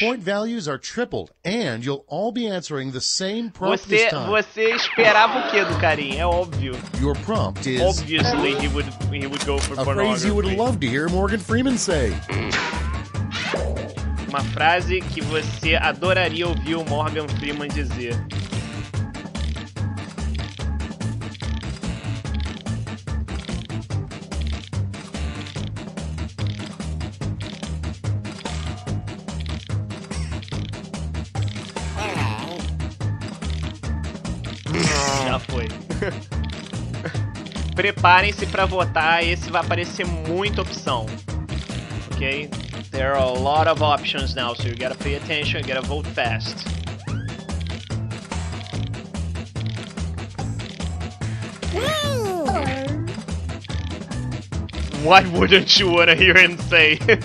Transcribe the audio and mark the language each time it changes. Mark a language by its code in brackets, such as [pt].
[en] Point values are tripled, and you'll all be answering the same prompt [pt] você, [en] this time. [pt] Você esperava o quê do Karim? É óbvio. [en] Your prompt is... Obviously, he would go for a phrase you would love to hear Morgan Freeman say. [pt] Uma frase que você adoraria ouvir o Morgan Freeman dizer. Preparem-se para votar, esse vai aparecer muita opção. Ok? [en] There are a lot of options now, so you gotta pay attention, you gotta vote fast. What wouldn't you wanna hear him say?